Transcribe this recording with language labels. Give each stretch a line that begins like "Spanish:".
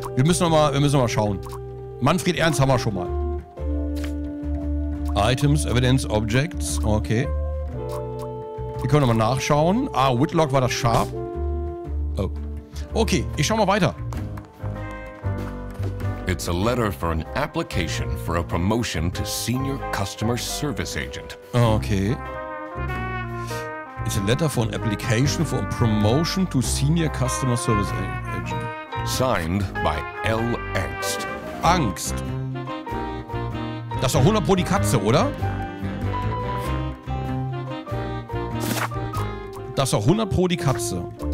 German: Wir müssen noch mal schauen. Manfred Ernst haben wir schon mal.
English: Items, Evidence, Objects.
German: Okay. Wir können nochmal nachschauen. Ah, Whitlock war das Sharp. Oh. Okay, ich schau mal weiter.
English: It's a letter for an application for a promotion to Senior Customer Service Agent. Okay. It's a letter for an application for a promotion to Senior Customer Service Agent. Signed by L. Angst. Angst.
German: Das ist doch 100 pro die Katze, oder? Das ist doch 100 pro die Katze.